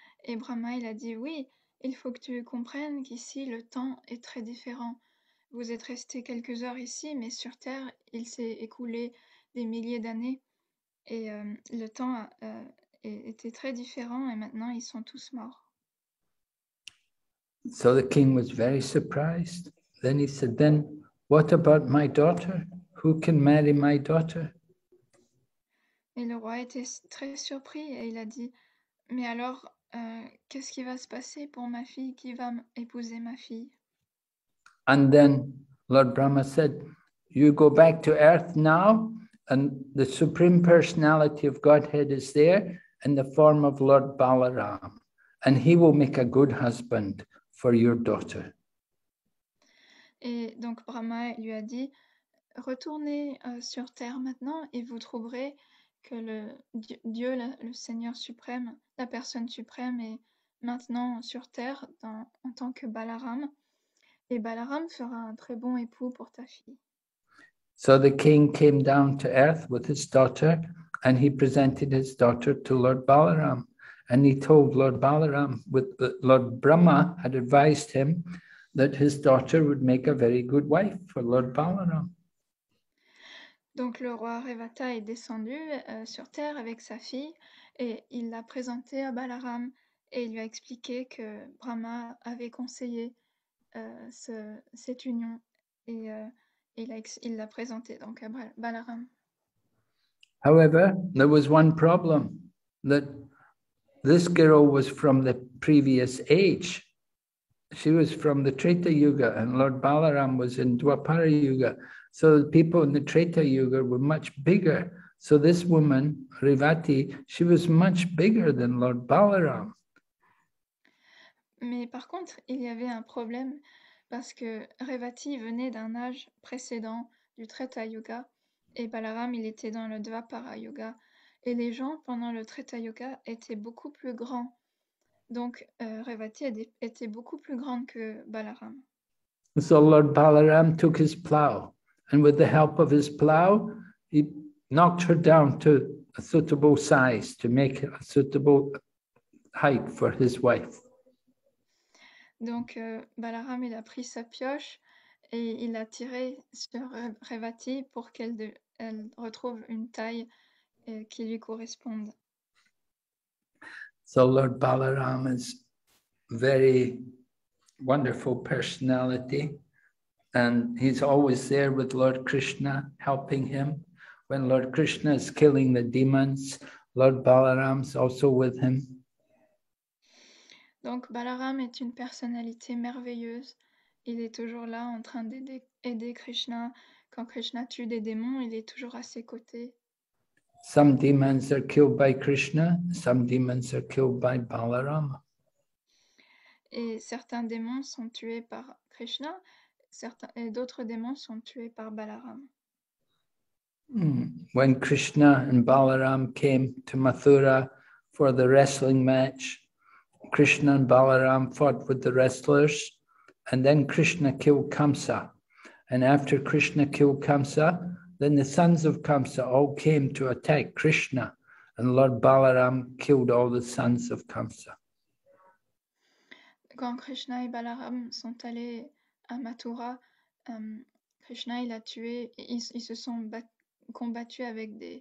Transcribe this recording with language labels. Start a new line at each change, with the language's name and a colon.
French: Et Brahma, il a dit, oui, il faut que tu comprennes qu'ici, le temps est très différent. Vous êtes resté quelques heures ici, mais sur Terre, il s'est écoulé des milliers d'années. Et le temps était très différent, et maintenant, ils sont tous morts.
English: So the king was very surprised. Then he said, then what about my daughter? Who can marry my daughter?
French: Et le roi était très surpris et il a dit, mais alors, qu'est-ce qui va se passer pour ma fille? Qui va épouser ma fille?
English: And then Lord Brahma said, you go back to earth now and the supreme personality of Godhead is there in the form of Lord Balaram and he will make a good husband for your daughter.
French: Et donc Brahma lui a dit, retournez sur terre maintenant et vous trouverez que le Dieu, le Seigneur suprême, la personne suprême est maintenant sur terre en tant que Balaram. Et Balaram fera un très bon époux pour ta fille.
English: So the king came down to earth with his daughter and he presented his daughter to Lord Balaram. And he told Lord Balaram, with Lord Brahma had advised him that his daughter would make a very good wife for Lord Balaram.
French: Donc le roi Revata est descendu sur terre avec sa fille et il l'a présentée à Balaram et il lui a expliqué que Brahma avait conseillé cette union et il l'a présentée donc à Balaram.
English: However, there was one problem that this girl was from the previous age. She was from the Treta Yuga and Lord Balaram was in Dwapara Yuga. So the people in the Treta Yuga were much bigger. So this woman, Revati, she was much bigger than Lord Balaram.
French: Mais par contre, il y avait un problème parce que Revati venait d'un âge précédent du Treta Yuga et Balaram, il était dans le Dwapara Yuga. Et les gens, pendant le Treta Yuga, étaient beaucoup plus grands. Donc Revati était beaucoup plus grande que Balaram.
English: So Lord Balaram took his plow. And with the help of his plow, he knocked her down to a suitable size to make a suitable height for his wife.
French: Donc Balaram, il a pris sa pioche et il a tiré sur Revati pour qu'elle retrouve une taille qui lui corresponde.
English: So Lord Balaram is very wonderful personality. And he's always there with Lord Krishna, helping him. When Lord Krishna is killing the demons, Lord Balaram's also with him.
French: Donc Balaram est une personnalité merveilleuse. Il est toujours là en train d'aider Krishna. Quand Krishna tue des démons, il est toujours à ses côtés.
English: Some demons are killed by Krishna, some demons are killed by Balaram.
French: Et certains démons sont tués par Krishna. Et d'autres démons sont tués par Balaram.
English: When Krishna and Balaram came to Mathura for the wrestling match, Krishna and Balaram fought with the wrestlers, and then Krishna killed Kamsa. And after Krishna killed Kamsa, then the sons of Kamsa all came to attack Krishna, and Lord Balaram killed all the sons of Kamsa.
French: Quand Krishna et Balaram sont allés à Mathura, Krishna il a tué, ils se sont combattus avec